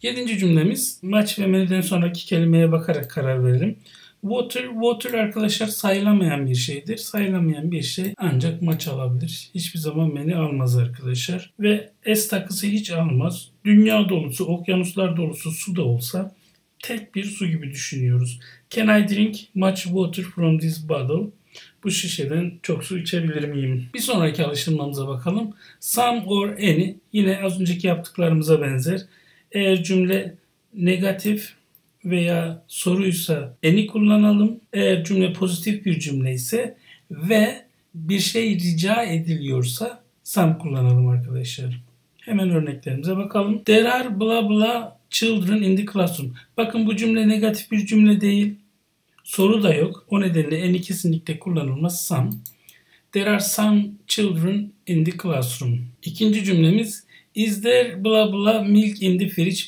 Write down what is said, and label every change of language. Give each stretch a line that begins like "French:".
Turkish: Yedinci cümlemiz much ve many'den sonraki kelimeye bakarak karar verelim. Water, water arkadaşlar sayılamayan bir şeydir. Sayılamayan bir şey ancak much alabilir. Hiçbir zaman many almaz arkadaşlar. Ve s takısı hiç almaz. Dünya dolusu, okyanuslar dolusu su da olsa tek bir su gibi düşünüyoruz.
English: Can I drink much water from this bottle?
Turkish: Bu şişeden çok su içebilir miyim? Bir sonraki alıştırmamıza bakalım. Some or any yine az önceki yaptıklarımıza benzer. Eğer cümle negatif veya soruysa any kullanalım. Eğer cümle pozitif bir cümle ise ve bir şey rica ediliyorsa some kullanalım arkadaşlar. Hemen örneklerimize bakalım.
English: There are blah blah children in the classroom.
Turkish: Bakın bu cümle negatif bir cümle değil. Soru da yok. O nedenle any kesinlikle kullanılmaz. Some.
English: There are some children in the classroom.
Turkish: İkinci cümlemiz.
English: Is there blah blah milk in the fridge?